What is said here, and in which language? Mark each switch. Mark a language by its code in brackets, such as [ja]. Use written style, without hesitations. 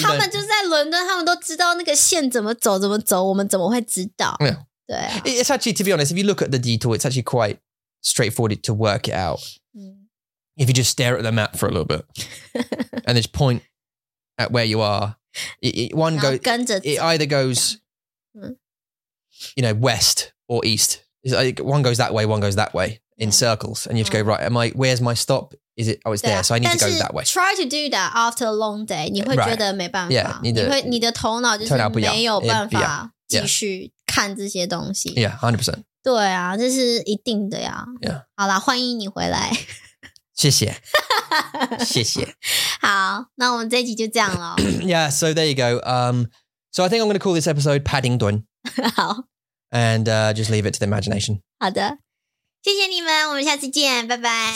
[zh] 他们就在伦敦，他们都知道那个线怎么走，我们怎么会知道？没有。对。 [en] It's actually, to be honest, if you look at the detour, it's actually quite straightforward to work it out. If you just stare at the map for a little bit, and just point at where you are, one goes, [zh] 跟着 [en] it either goes, you know, west or east. It's like one goes that way, one goes that way in circles. And you have to go, right, am I, where's my stop? Is it, oh, it's there. So I need to go that way. Try to do that after a long day. You would feel that it's not possible. Yeah, you need to. Your brain is not able to continue to see these things. Yeah, 100%. [zh] 对啊，这是一定的呀。 [en] Yeah. [zh] 好啦，欢迎你回来。谢谢。谢谢。好，那我们这集就这样了。 [en] Yeah, so there you go. So I think I'm going to call this episode Paddington. [zh] 好。 [en] And just leave it to the imagination. [zh] 好的，谢谢你们，我们下次见，拜拜。